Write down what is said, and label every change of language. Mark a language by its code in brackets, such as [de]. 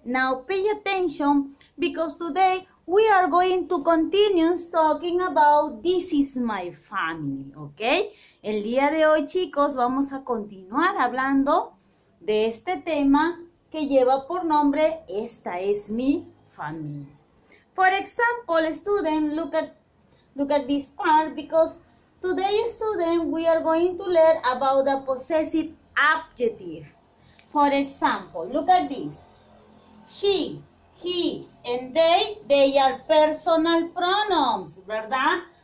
[en] Now pay attention because today we are going to continue talking about this is my family. Okay? [es] El día de hoy, chicos, vamos a continuar hablando de este tema que lleva por nombre Esta es mi familia. [en] For example, student, look at this part because today, student, we are going to learn about the possessive adjective. For example, look at this. She, he, and they are personal pronouns, [es] ¿verdad?